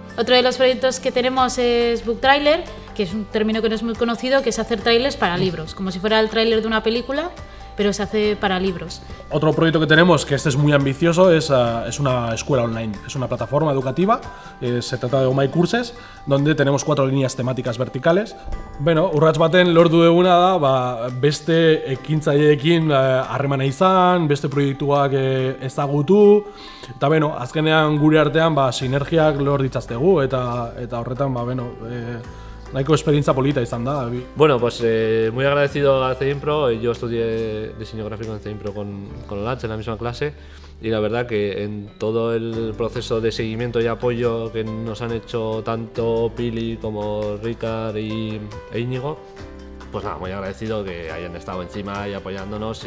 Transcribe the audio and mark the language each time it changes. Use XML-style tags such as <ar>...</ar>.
<es>Otro de los proyectos que tenemos es Book Trailer, que es un término que no es muy conocido, que es hacer trailers para libros, como si fuera el trailer de una película, pero se hace para libros. Otro proyecto que tenemos, que este es muy ambicioso, es una escuela online. Es una plataforma educativa, se trata de Omai Courses, donde tenemos cuatro líneas temáticas verticales.</es> <eu>Bueno, urrats baten lortu duguna da, ba, beste ekintzaileekin harremana izan, beste proiektuak ezagutu, eta bueno, azkenean gure artean ba, sinergiak lor ditzaztegu, eta horretan, ba, bueno, Naiko experiencia polita izan da, David.</eu> <es>Bueno, pues muy agradecido a CEIMPRO. Yo estudié diseño gráfico en CEIMPRO con Olatz en la misma clase. Y la verdad que en todo el proceso de seguimiento y apoyo que nos han hecho tanto Pili como Ricard e Íñigo, pues nada, muy agradecido que hayan estado encima y apoyándonos.</es>